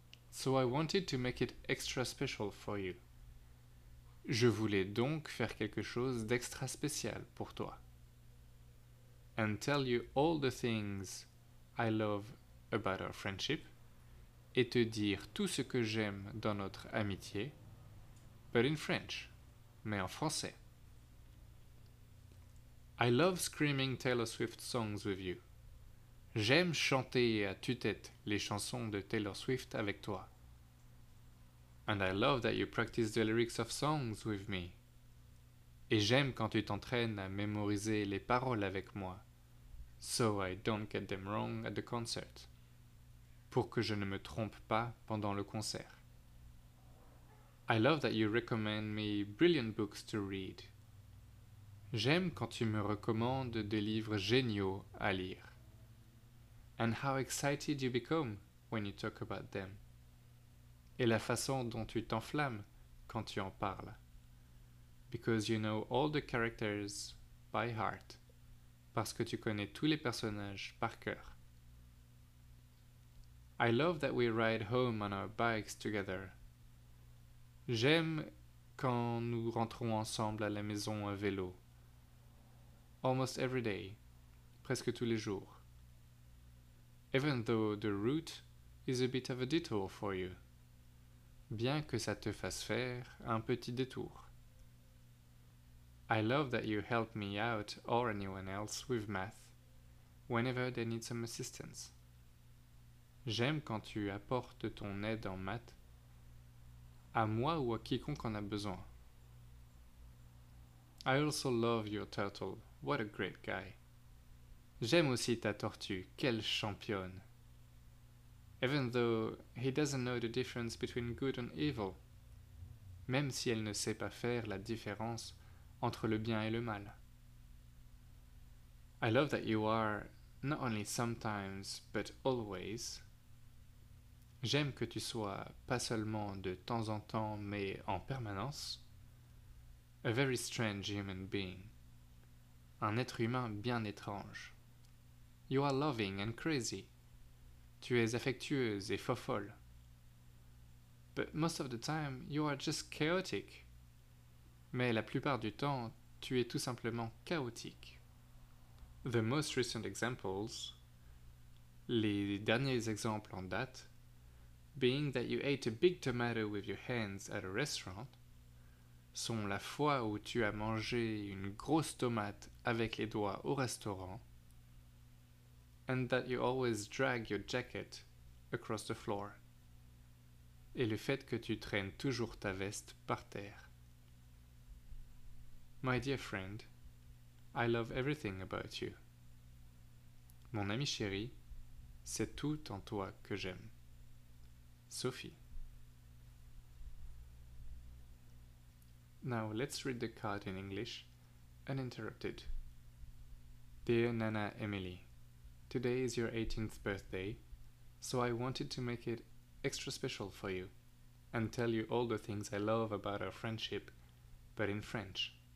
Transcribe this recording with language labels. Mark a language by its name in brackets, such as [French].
[English] So I wanted to make it extra special for you. [French] Je voulais donc faire quelque chose d'extra spécial pour toi. [English] And tell you all the things I love about our friendship [French] et te dire tout ce que j'aime dans notre amitié, [English] but in French, [French] mais en français. [English] I love screaming Taylor Swift songs with you. [French] J'aime chanter à tue-tête les chansons de Taylor Swift avec toi. [English] And I love that you practice the lyrics of songs with me. [French] Et j'aime quand tu t'entraînes à mémoriser les paroles avec moi, [English] so I don't get them wrong at the concert, [French] pour que je ne me trompe pas pendant le concert. [English] I love that you recommend me brilliant books to read. [French] J'aime quand tu me recommandes des livres géniaux à lire. [English] And how excited you become when you talk about them. [French] Et la façon dont tu t'enflammes quand tu en parles. [English] Because you know all the characters by heart. [French] Parce que tu connais tous les personnages par cœur. [English] I love that we ride home on our bikes together. [French] J'aime quand nous rentrons ensemble à la maison à vélo. [English] Almost every day. [French] Presque tous les jours. [English] Even though the route is a bit of a detour for you. [French] Bien que ça te fasse faire un petit détour. [English] I love that you help me out or anyone else with math whenever they need some assistance. [French] J'aime quand tu apportes ton aide en maths à moi ou à quiconque en a besoin. [English] I also love your turtle. What a great guy. [French] J'aime aussi ta tortue. Quelle championne. [English] Even though he doesn't know the difference between good and evil. [French] Même si elle ne sait pas faire la différence entre le bien et le mal. [English] I love that you are not only sometimes but always. [French] J'aime que tu sois pas seulement de temps en temps mais en permanence. [English] A very strange human being. [French] Un être humain bien étrange. [English] You are loving and crazy. [French] Tu es affectueuse et fofolle. [English] But most of the time, you are just chaotic. [French] Mais la plupart du temps, tu es tout simplement chaotique. [English] The most recent examples, [French] les derniers exemples en date, [English] being that you ate a big tomato with your hands at a restaurant, [French] sont la fois où tu as mangé une grosse tomate avec les doigts au restaurant, [English] and that you always drag your jacket across the floor, [French] et le fait que tu traînes toujours ta veste par terre. [English] My dear friend, I love everything about you. [French] Mon ami chéri, c'est tout en toi que j'aime. Sophie. [English] Now let's read the card in English, uninterrupted. Dear Nana Emily, today is your 18th birthday, so I wanted to make it extra special for you and tell you all the things I love about our friendship, but in French.